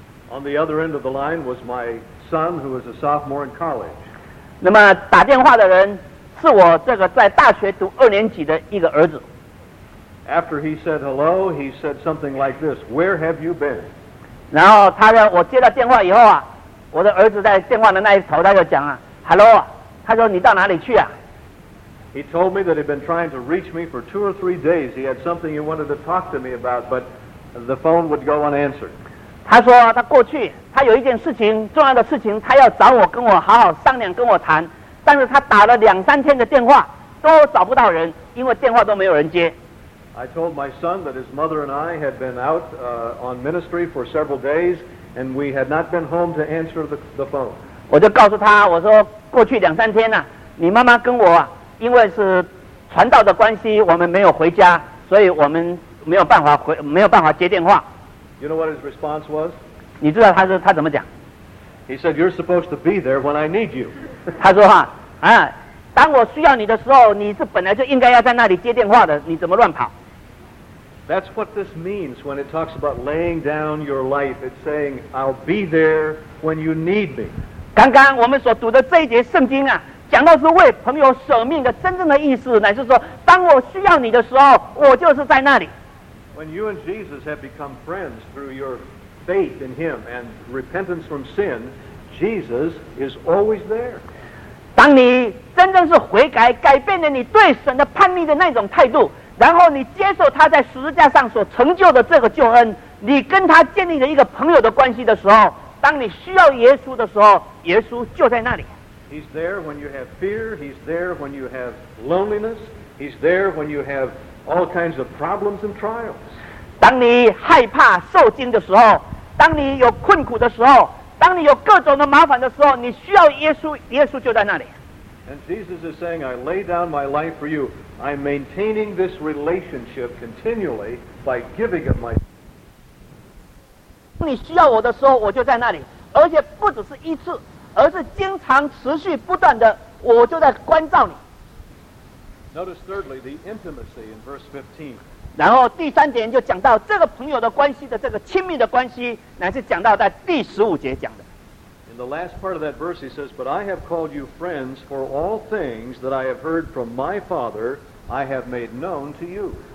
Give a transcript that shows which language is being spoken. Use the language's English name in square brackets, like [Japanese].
[English] On the other end of the line was my son who was a sophomore in college. [Chinese] 那么打电话的人是我这个在大学读二年级的一个儿子。 [English] After he said hello, he said something like this, Where have you been? [Chinese] 然后他让我接到电话以后啊，我的儿子在电话的那一头他就讲啊， Hello, 他说你到哪里去啊？ [English] He told me that he'd been trying to reach me for two or three days. He had something he wanted to talk to me about, but the phone would go unanswered. [Chinese] 他说他过去他有一件事情重要的事情他要找我跟我好好商量跟我谈但是他打了两三天的电话都找不到人因为电话都没有人接 [English] I told my son that his mother and I had been out on ministry for several days and we had not been home to answer the phone [Chinese] 我就告诉他我说过去两三天啊你妈妈跟我啊因为是传道的关系我们没有回家所以我们没有办法接电话 [English] You know what his response was? [Chinese] 你知道他是他怎么讲? [English] He said, you're supposed to be there when I need you. [Chinese] 他说啊，当我需要你的时候，你是本来就应该要在那里接电话的，你怎么乱跑? [English] That's what this means when it talks about laying down your life. It's saying, I'll be there when you need me. [Chinese] 刚刚我们所读的这一节圣经啊，讲到是为朋友舍命的真正的意思，乃是说，当我需要你的时候，我就是在那里。 [English] When you and Jesus have become friends through your faith in Him and repentance from sin, Jesus is always there. [Chinese] 当你真正是悔改，改变了你对神的叛逆的那种态度，然后你接受他在十字架上所成就的这个救恩，你跟他建立了一个朋友的关系的时候，当你需要耶稣的时候，耶稣就在那里。 [English] He's there when you have fear. He's there when you have loneliness. He's there when you have all kinds of problems and trials. [Chinese] 当你害怕受惊的时候，当你有困苦的时候，当你有各种的麻烦的时候，你需要耶稣，耶稣就在那里。 [English] And Jesus is saying, I lay down my life for you. I'm maintaining this relationship continually by giving of my. [Chinese] 当你需要我的时候，我就在那里，而且不只是一次，而是经常持续不断的，我就在关照你。 [English] Notice thirdly the intimacy in verse 15. [Chinese] 然后第三点就讲到这个朋友的关系的这个亲密的关系乃是讲到在第十五节讲的。 [English] In the last part of that verse he says, But I have called you friends for all things that I have heard from my Father I have made known to you.